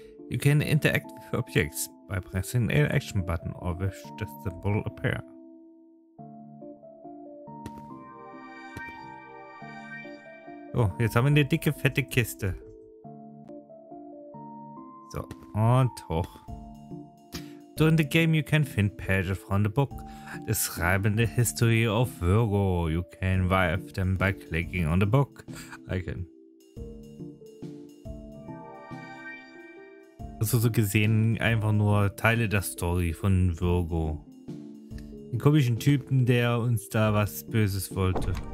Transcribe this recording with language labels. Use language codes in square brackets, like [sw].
[en] You can interact with objects by pressing the action button or with just the symbol appear. [de] Oh, jetzt haben wir eine dicke, fette Kiste. So, und hoch. [en] During the game you can find pages from the book describing the history of Virgo. You can revive them by clicking on the book icon. [de] Also so gesehen einfach nur Teile der Story von Virgo. Den komischen Typen, der uns da was Böses wollte.